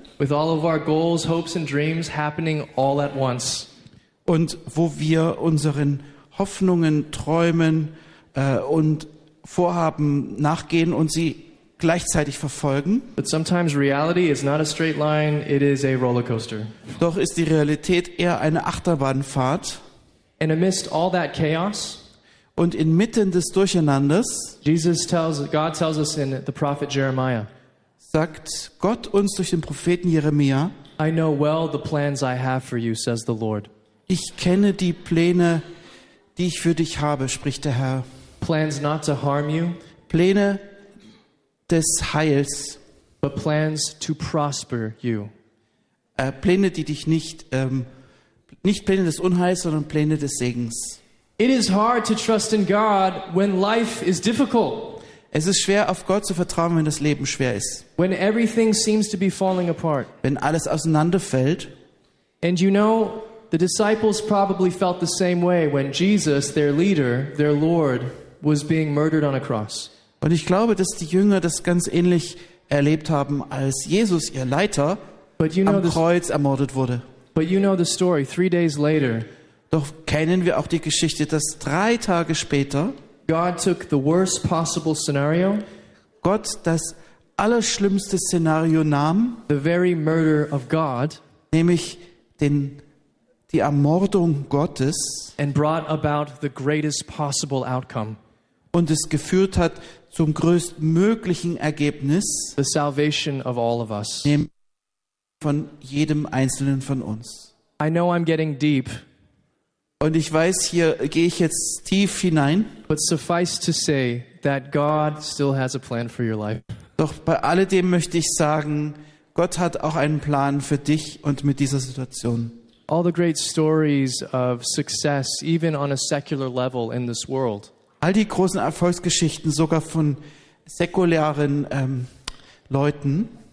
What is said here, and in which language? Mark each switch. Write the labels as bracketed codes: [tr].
[en] With all of our goals, hopes and dreams happening all at once. [de] Und wo wir unseren Hoffnungen, Träumen und Vorhaben nachgehen und sie gleichzeitig verfolgen. [en] But sometimes reality is not a straight line, it is a roller coaster. [de] Doch ist die Realität eher eine Achterbahnfahrt. [en] And amidst all that chaos, [de] und inmitten des Durcheinanders, [en] God tells us in the prophet Jeremiah, [de] sagt Gott uns durch den Propheten Jeremia, [en] I know well the plans I have for you, says the Lord. [de] Ich kenne die Pläne, die ich für dich habe, spricht der Herr. [en] Plans not to harm you, [de] Pläne des Heils, [en] but plans to prosper you. [de] Pläne, die dich nicht, nicht Pläne des Unheils, sondern Pläne des Segens. [en] It is hard to trust in God when life is difficult. [de] Es ist schwer, auf Gott zu vertrauen, wenn das Leben schwer ist. [en] When everything seems to be falling apart. [de] Wenn alles auseinanderfällt. [en] And you know, the disciples probably felt the same way when Jesus, their leader, their Lord, was being murdered on a cross. [de] Und ich glaube, dass die Jünger das ganz ähnlich erlebt haben, als Jesus, ihr Leiter, am Kreuz ermordet wurde. [en] But you know the story, 3 days later. [de] Doch kennen wir auch die Geschichte, dass 3 Tage später [en] God took the worst possible scenario, [de] Gott das allerschlimmste Szenario nahm, [en] the very murder of God, [de] nämlich die Ermordung Gottes, [en] and brought about the greatest possible outcome. [de] und es geführt hat zum größtmöglichen Ergebnis, [en] the salvation of all of us, [de] von jedem einzelnen von uns. [en] I know I'm getting deep, [de] und ich weiß, hier gehe ich jetzt tief hinein, [en] but suffice to say that God still has a plan for your life. [de] Doch bei alledem möchte ich sagen, Gott hat auch einen Plan für dich und mit dieser Situation. [en] All the great stories of success, even on a secular level in this world. [de] All die großen Erfolgsgeschichten, sogar von säkularen Leuten,